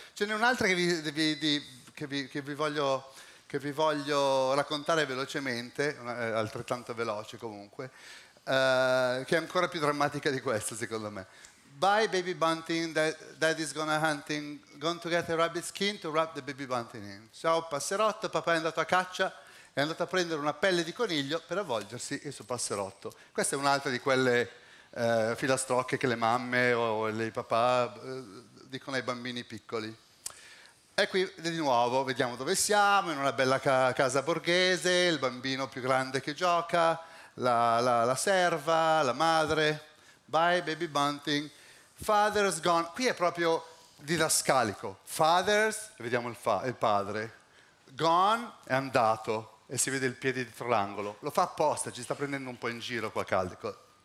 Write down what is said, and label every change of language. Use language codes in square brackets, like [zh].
[it] Ce n'è un'altra che vi voglio raccontare velocemente, altrettanto veloce comunque, che è ancora più drammatica di questa, secondo me. [en] Bye baby bunting, daddy's gonna hunting, going to get a rabbit skin to wrap the baby bunting in. [it] Ciao passerotto, papà è andato a caccia, è andato a prendere una pelle di coniglio per avvolgersi il suo passerotto. Questa è un'altra di quelle filastrocche che le mamme o i papà dicono ai bambini piccoli. E qui di nuovo vediamo dove siamo, in una bella casa borghese, il bambino più grande che gioca, la serva, la madre, [en] bye baby bunting, father's gone, [it] qui è proprio didascalico, father's, vediamo il padre, gone è andato e si vede il piede dietro l'angolo, lo fa apposta, ci sta prendendo un po' in giro qua Caldico,